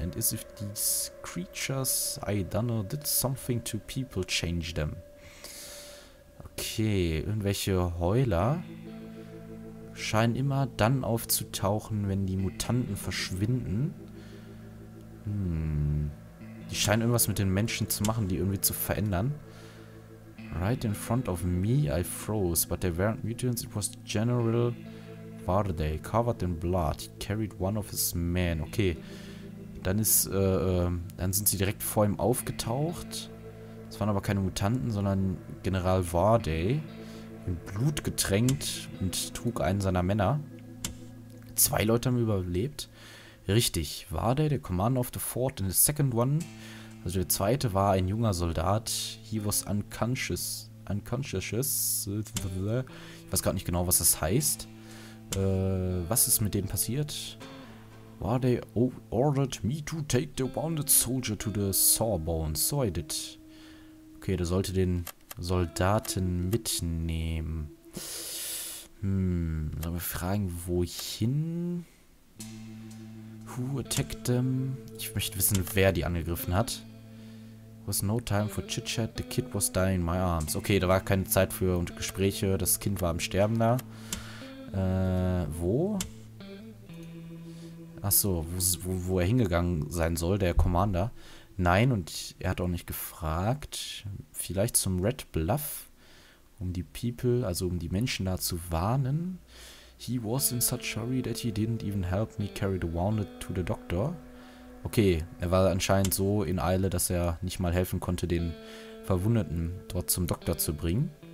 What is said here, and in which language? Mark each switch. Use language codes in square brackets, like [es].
[en] And as if these creatures, I don't know, did something to people change them. [de] Okay, irgendwelche Heuler scheinen immer dann aufzutauchen, wenn die Mutanten verschwinden. Die scheinen irgendwas mit den Menschen zu machen, die irgendwie zu verändern. [en] Right in front of me, I froze, but they weren't mutants, it was General Varde, covered in blood. He carried one of his men. [de] Okay, dann ist, dann sind sie direkt vor ihm aufgetaucht. Es waren aber keine Mutanten, sondern General Varde, in Blut getränkt und trug einen seiner Männer. Zwei Leute haben überlebt. Richtig, [en] Varde, the commander of the fort, and the second one. [de] Also der zweite war ein junger Soldat. [en] He was unconscious. [de] Ich weiß gerade nicht genau, was das heißt. Was ist mit dem passiert? [en] Varde ordered me to take the wounded soldier to the Sawbones. So I did. [de] Okay, der sollte den Soldaten mitnehmen. Sollen wir fragen, wohin? [en] Who attacked them? [de] Ich möchte wissen, wer die angegriffen hat. [en] Was no time for chit-chat. The kid was dying in my arms. [de] Okay, da war keine Zeit für und Gespräche. Das Kind war am Sterben da. Wo? Achso, wo er hingegangen sein soll, der Commander. Nein, und er hat auch nicht gefragt. Vielleicht zum Red Bluff. Um die People, also um die Menschen da zu warnen. [en] He was in such hurry that he didn't even help me carry the wounded to the doctor. [de] Okay, er war anscheinend so in Eile, dass er nicht mal helfen konnte, den Verwundeten dort zum Doktor zu bringen.